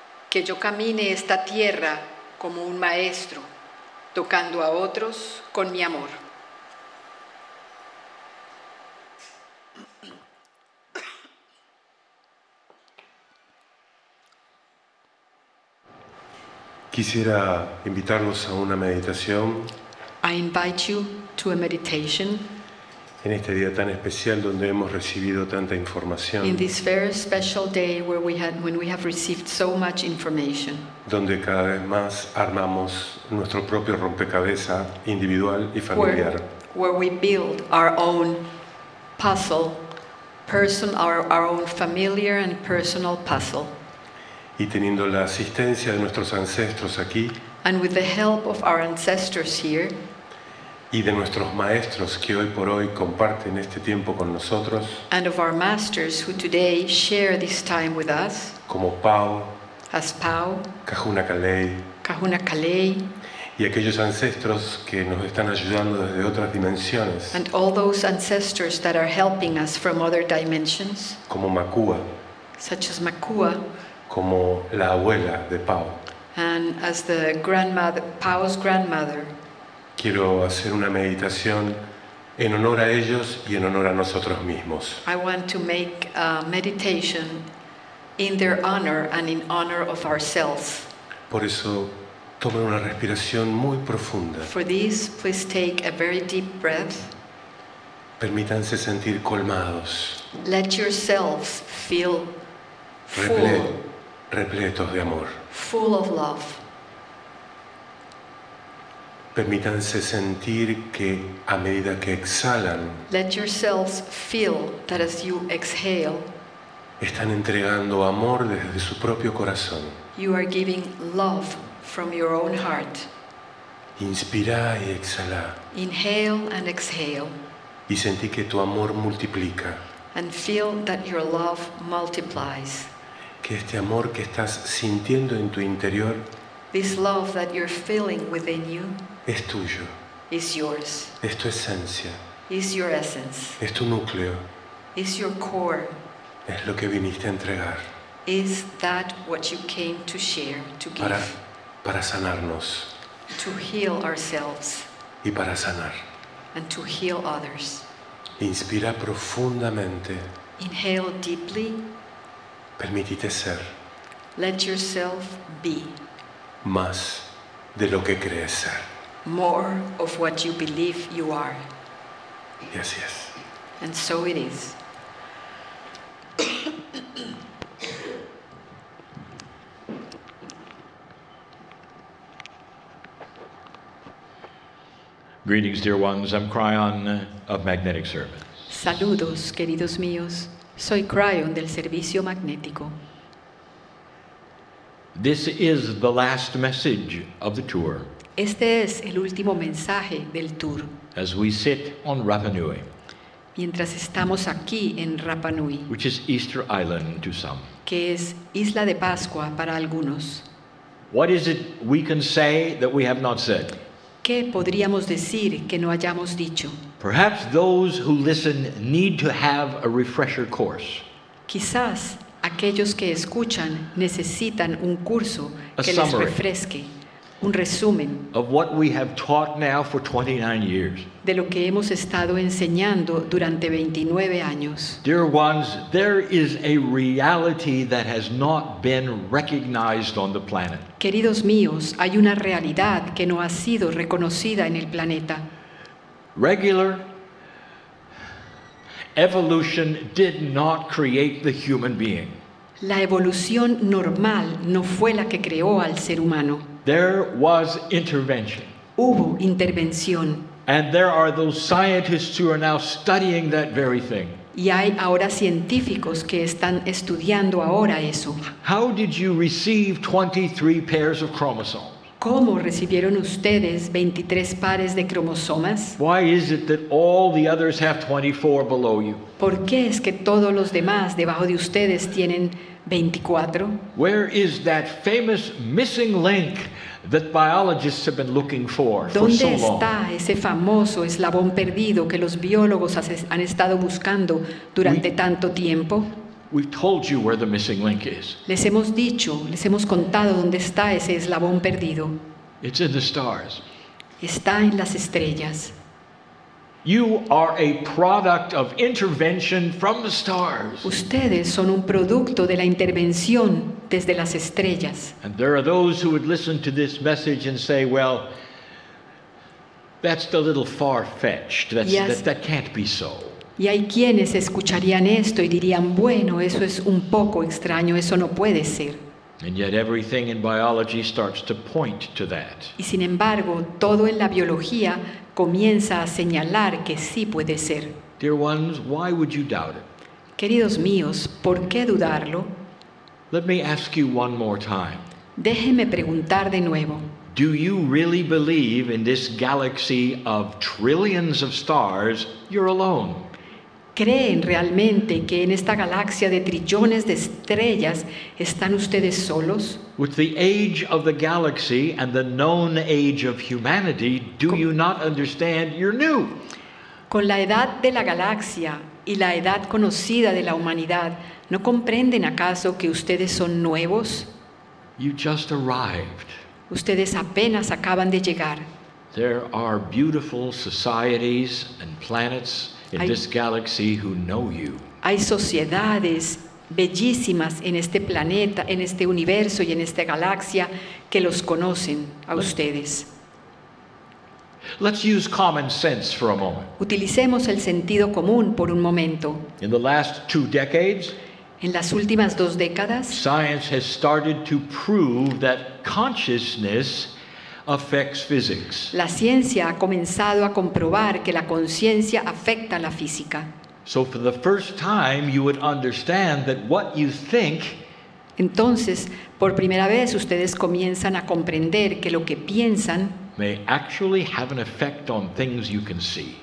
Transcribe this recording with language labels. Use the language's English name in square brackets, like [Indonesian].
[Spanish] Que yo camine esta tierra como un maestro, tocando a otros con mi amor. Quisiera invitarlos a una meditación. [English] I invite you to a meditation. [Spanish] En este día tan especial donde hemos recibido tanta información. [English] In this very special day where we have received so much information. [Spanish] Donde cada vez más armamos nuestro propio rompecabezas individual y familiar. [English] Where we build our own puzzle, our own familiar and personal puzzle. [Spanish] Y teniendo la asistencia de nuestros ancestros aquí, [English] and with the help of our ancestors here, [Spanish] y de nuestros maestros que hoy por hoy comparten este tiempo con nosotros, [English] and of our masters who today share this time with us, [Spanish] como Pau, [English] as Pau, [Spanish] Kahuna Kalei, y aquellos ancestros que nos están ayudando desde otras dimensiones, [English] and all those ancestors that are helping us from other dimensions, [Spanish] como Makua, [English] such as Makua, [Spanish] como la abuela de Pau. [English] And as the grandmother, Pau's grandmother. [Spanish] Quiero hacer una meditación en honor a ellos y en honor a nosotros mismos. [English] I want to make a meditation in their honor and in honor of ourselves. [Spanish] Por eso, tomen una respiración muy profunda. [English] For this, please take a very deep breath. [Spanish] Permítanse sentir colmados. [English] Let yourselves feel full. [Spanish] Repletos de amor. [English] Full of love. [Spanish] Permítanse sentir que a medida que exhalan, [English] let yourselves feel that as you exhale, [Spanish] están entregando amor desde su propio corazón. [English] You are giving love from your own heart. [Spanish] Inspira y exhala. [English] Inhale and exhale. [Spanish] Y sentí que tu amor multiplica. [English] And feel that your love multiplies. [Spanish] Que este amor que estás sintiendo en tu interior, [English] This love that you're feeling within you [Spanish] es tuyo. [English] Is yours. [Spanish] Es tu esencia. [English] Is your essence. [Spanish] Es tu núcleo. [English] Is your core. [Spanish] Es lo que viniste a entregar. [English] Is that what you came to share, to give? [Spanish] Para sanarnos. [English] To heal ourselves. [Spanish] Y para sanar. [English] And to heal others. [Spanish] Inspira profundamente. [English] Inhale deeply. [Spanish] Permitite ser. [English] Let yourself be. [Spanish] Más de lo que crees ser. [English] More of what you believe you are. [Spanish] Y así es. [English] And so it is. Greetings, dear ones. I'm Cryon of Magnetic Service. [Spanish] Saludos, queridos míos. Soy Cryon del Servicio Magnético. [English] This is the last message of the tour. [Spanish] Este es el último mensaje del tour. [English] As we sit on Rapa Nui. [Spanish] Mientras estamos aquí en Rapa Nui. [English] Which is Easter Island to some. [Spanish] Que es Isla de Pascua para algunos. [English] What is it we can say that we have not said? [Spanish] ¿Qué podríamos decir que no hayamos dicho? [English] Perhaps those who listen need to have a refresher course. [Spanish] Quizás aquellos que escuchan necesitan un curso que les refresque, un resumen [English] of what we have taught now for 29 years. [Spanish] De lo que hemos estado enseñando durante 29 años. [English] Dear ones, there is a reality that has not been recognized on the planet. [Spanish] Queridos míos, hay una realidad que no ha sido reconocida en el planeta. [English] Regular evolution did not create the human being. [Spanish] La evolución normal no fue la que creó al ser humano. [English] There was intervention. [Spanish] Hubo intervención. [English] And there are those scientists who are now studying that very thing. [Spanish] Y hay ahora científicos que están estudiando ahora eso. [English] How did you receive 23 pairs of chromosomes? [Spanish] ¿Cómo recibieron ustedes 23 pares de cromosomas? [English] Why is it that all the others have 24 below you? [Spanish] ¿Por qué es que todos los demás debajo de ustedes tienen 24? [English] Where is that famous missing link that biologists have been looking for so long? [Spanish] ¿Dónde está ese famoso eslabón perdido que los biólogos han estado buscando durante tanto tiempo? [English] We've told you where the missing link is. [Spanish] Les hemos dicho, les hemos contado dónde está ese eslabón perdido. [English] It's in the stars. [Spanish] Está en las estrellas. [English] You are a product of intervention from the stars. [Spanish] Ustedes son un producto de la intervención desde las estrellas. [English] And there are those who would listen to this message and say, well, that's a little far-fetched. That can't be so. [Spanish] Y hay quienes escucharían esto y dirían, bueno, eso es un poco extraño, eso no puede ser. [English] And yet everything in biology starts to point to that. [Spanish] Y sin embargo, todo en la biología comienza a señalar que sí puede ser. [English] Dear ones, why would you doubt it? [Spanish] Queridos míos, ¿por qué dudarlo? [English] Let me ask you one more time. [Spanish] Déjeme preguntar de nuevo. [English] Do you really believe in this galaxy of trillions of stars, you're alone? [Spanish] ¿Creen realmente que en esta galaxia de trillones de estrellas están ustedes solos? [English] With the age of the galaxy and the known age of humanity, do you not understand you're new? [Spanish] Con la edad de la galaxia y la edad conocida de la humanidad, ¿no comprenden acaso que ustedes son nuevos? [English] You just arrived. [Spanish] Ustedes apenas acaban de llegar. [English] There are beautiful societies and planets in this galaxy who know you. [Spanish] Hay sociedades bellísimas en este planeta, en este universo y en esta galaxia que los conocen a ustedes. [English] Let's use common sense for a moment. [Spanish] Utilicemos el sentido común por un momento. [English] In the last two decades, [Spanish] en las últimas dos décadas, [English] science has started to prove that consciousness affects physics. [Spanish] La ciencia ha comenzado a comprobar que la conciencia afecta la física. [English] So for the first time you would understand that what you think. [Spanish] Entonces, por primera vez ustedes comienzan a comprender que lo que piensan [English] may actually have an effect on things you can see.